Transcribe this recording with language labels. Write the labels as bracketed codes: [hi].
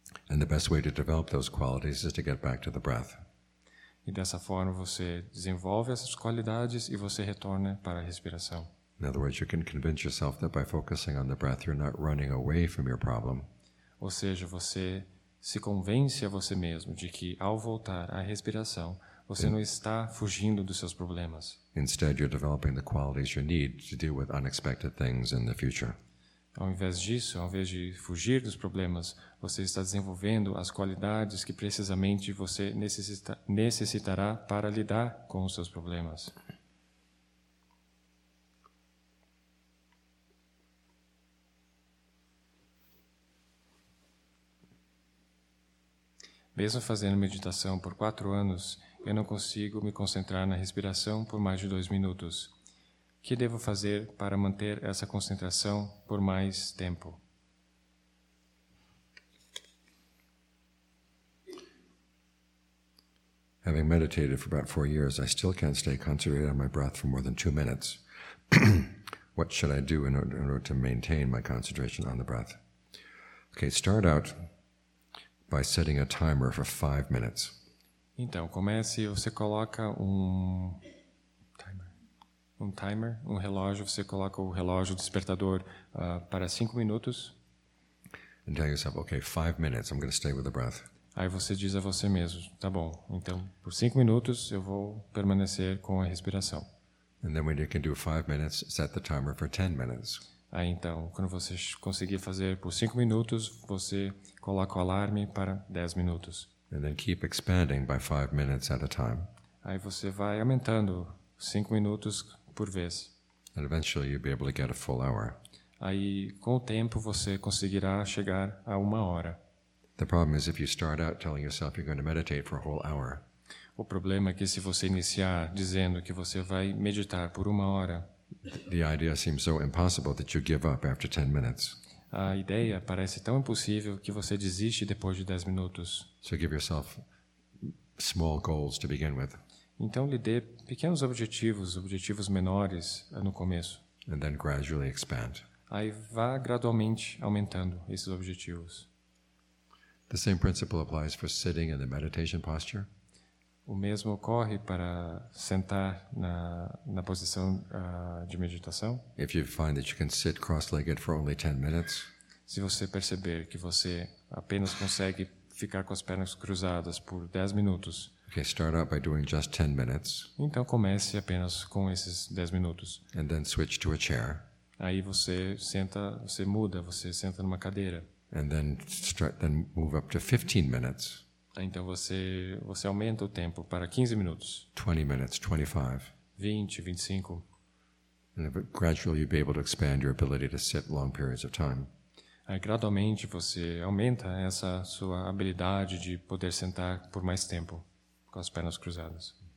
[en] And the best way to develop those qualities is to get back to the breath. [pt] E dessa forma você desenvolve essas qualidades e você retorna para a respiração. [en] In other words, you can convince yourself that by focusing on the breath, you're not running away from your problem. [pt] Ou seja, você se convence a você mesmo de que ao voltar à respiração, você não está fugindo dos seus problemas. [en] Instead, you're developing the qualities you need to deal with unexpected things in the future. [pt] Ao invés disso, ao invés de fugir dos problemas, você está desenvolvendo as qualidades que precisamente você necessitará para lidar com os seus problemas. Mesmo fazendo meditação por 4 anos, eu não consigo me concentrar na respiração por mais de 2 minutos. O que devo fazer para manter essa concentração por mais tempo? [en] Having meditated for about 4 years, I still can't stay concentrated on my breath for more than 2 minutes. What should I do in order to maintain my concentration on the breath? Okay, start out by setting a timer for 5 minutes. [pt] Então, comece, você coloca um relógio, você coloca o relógio despertador para 5 minutos. [en] And tell yourself, okay, 5 minutes, I'm going to stay with the breath. [pt] Aí você diz a você mesmo, tá bom, então, por 5 minutos eu vou permanecer com a respiração. [en] And then when you can do 5 minutes, set the timer for 10 minutes. [pt] Aí então, quando você conseguir fazer por 5 minutos, você coloca o alarme para 10 minutos. [en] And then keep expanding by 5 minutes at a time. [pt] Aí você vai aumentando 5 minutos por vez. [en] And eventually you'll be able to get a full hour. [pt] Aí com o tempo você conseguirá chegar a 1 hora. [en] The problem is if you start out telling yourself you're going to meditate for a whole hour. [pt] O problema é que se você iniciar dizendo que você vai meditar por 1 hora, [en] the idea seems so impossible that you give up after 10 minutes. [pt] A ideia parece tão impossível que você desiste depois de 10 minutos. [en] So give yourself small goals to begin with. [pt] Então lhe dê pequenos objetivos, objetivos menores no começo. [en] And then gradually expand. [pt] Aí vá gradualmente aumentando esses objetivos. [en] The same principle applies for sitting in the meditation posture. [pt] O mesmo ocorre para sentar na posição de meditação. [en] If you find that you can sit cross-legged for only 10 minutes, [pt] se você perceber que você apenas consegue ficar com as pernas cruzadas por 10 minutos, [en] okay, start out by doing just 10 minutes. [pt] Então comece apenas com esses 10 minutos. [en] And then switch to a chair. [pt] Aí você senta, você muda, você senta numa cadeira. [en] And then start, then move up to 15 minutes. [pt] Então você aumenta o tempo para 15 minutos. [en] 20 minutes, 25. [pt] 20, 25. [en] And gradually you'll be able to expand your ability to sit long periods of time. [pt] Aí gradualmente você aumenta essa sua habilidade de poder sentar por mais tempo com as pernas cruzadas.